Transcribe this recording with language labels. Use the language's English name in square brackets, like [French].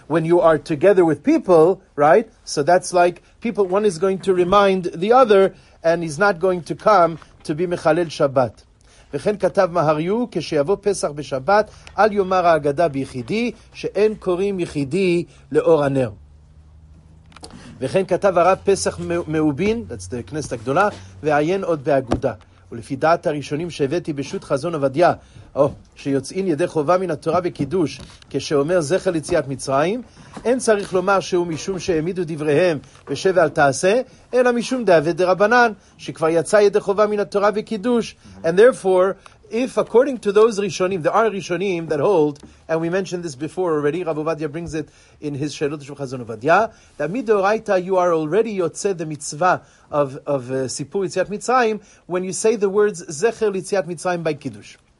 [English] When you are together with people, right? So that's like people, one is going to remind the other and he's not going to come to be Mechalel Shabbat. [Hebrew] וכן כתב מהריו, כשיבוא פסח בשבת, אל יומר ההגדה ביחידי, שאין קוראים יחידי לאור הנר. וכן כתב הרב פסח מאובין, that's the כנסת הגדולה, ועיין עוד באגודה. ולפי דעת הראשונים שהבאתי בשו"ת חזון עובדיה, או שיוצאים ידי חובה מן התורה בקידוש, כשאומר זכר ליציאת מצרים, אין צריך לומר שהוא משום שהעמידו דבריהם בשב ואל תעשה, אלא משום דאבי דרבנן, שכבר יצא ידי חובה מן התורה בקידוש. [English] And therefore, if according to those ראשונים, there are ראשונים that hold, and we mentioned this before already, רב עובדיה brings it in his שאלות של חזון עובדיה, that מדאורייתא you are already יוצא the מצווה of סיפור יציאת מצרים, when you say the words זכר ליציאת מצרים by קידוש.